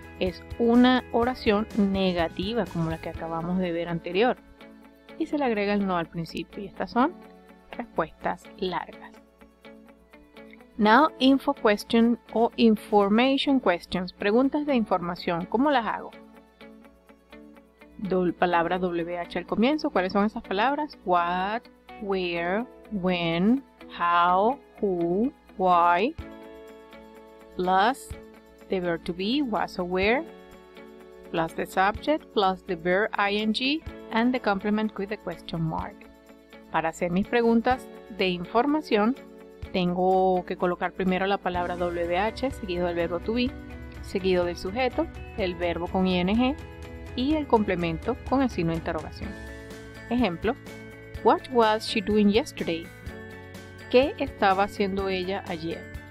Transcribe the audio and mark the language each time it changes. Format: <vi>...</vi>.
<es>Es una oración negativa como la que acabamos de ver anterior. Y se le agrega el no al principio y estas son respuestas largas.</es> <en>Now, info question</en> <es>o</es> <en>information questions.</en> <es>Preguntas de información. ¿Cómo las hago? palabra WH al comienzo. ¿Cuáles son esas palabras?</es> <en>What, where, when, how, who, why, plus the verb to be, was or were, plus the subject, plus the verb ing, and the complement with the question mark.</en> <es>Para hacer mis preguntas de información, tengo que colocar primero la palabra WH, seguido del verbo to be, seguido del sujeto, el verbo con ing, y el complemento con el signo de interrogación. Ejemplo,</es> <en>what was she doing yesterday?</en> <es>¿Qué estaba haciendo ella ayer?</es>